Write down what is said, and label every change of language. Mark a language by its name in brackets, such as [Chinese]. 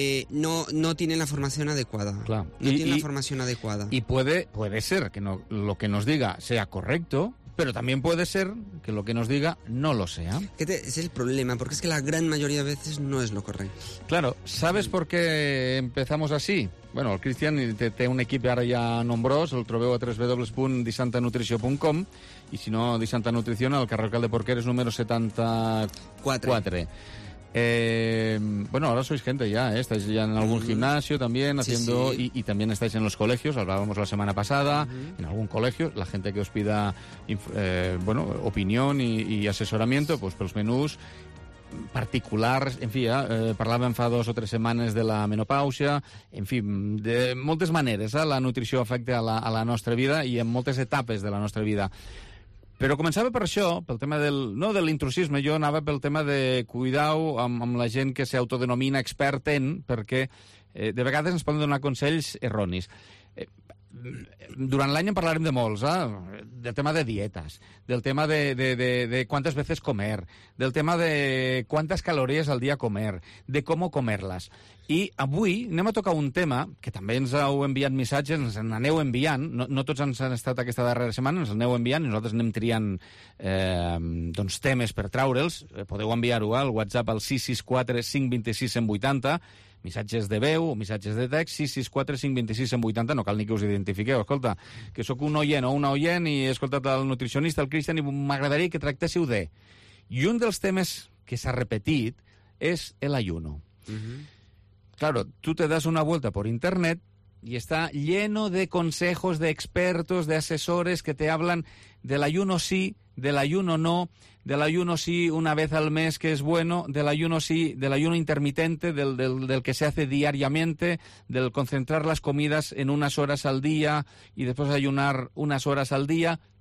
[Spanish] no tienen la formación adecuada. Claro. Y puede ser que no, lo que nos diga sea correcto, pero también puede ser que lo que nos diga no lo sea. Es el problema, porque es que la gran mayoría de veces no es lo correcto. Claro, ¿sabes por qué empezamos así? [Catalan] Bueno, el Cristian té un equip ara ja nombrós, el trobeu a www.disantanutrició.com i si no, Disantanutrició al carrer Alcalde Porqueres número 74. [Spanish] Bueno, ahora sois gente ya, ¿eh? Estáis ya en algún gimnasio también haciendo, sí, sí. Y también estáis en los colegios, hablábamos la semana pasada, uh-huh, en algún colegio, la gente que os pida bueno, opinión y asesoramiento, pues pels menús particulars, en fi, ja, parlàvem fa dos o tres setmanes de la menopàusia, en fi, de moltes maneres, la nutrició afecta a la nostra vida i en moltes etapes de la nostra vida. [Catalan] Però començava per això, pel tema del... No de l'intrusisme, jo anava pel tema de cuidar-ho amb la gent que s'autodenomina expert en, perquè de vegades ens poden donar consells erronis. Durant l'any en parlarem de molts, del tema de dietes, del tema de quantes vegades comer, del tema de quantes calories al dia comer, de com comer-les. I avui anem a tocar un tema que també ens heu enviat missatges, ens n'aneu enviant, no tots ens han estat aquesta darrera setmana, ens aneu enviant i nosaltres anem triant doncs temes per traure'ls. Podeu enviar-ho al WhatsApp al 664-526-180, missatges de veu, missatges de text, 664-526-180, no cal ni que us identifiqueu. Escolta, que sóc un oient o una oient i he escoltat el nutricionista, el Cristian, i m'agradaria que tractéssiu de... I un dels temes que s'ha repetit és l'ayuno. [Spanish] Claro, tu te das una vuelta por internet y está lleno de consejos, de expertos, de asesores que te hablan del ayuno sí, del ayuno no, del ayuno sí una vez al mes que es bueno, del ayuno sí, del ayuno intermitente, del que se hace diariamente, del concentrar las comidas en unas horas al día y después ayunar unas horas al día.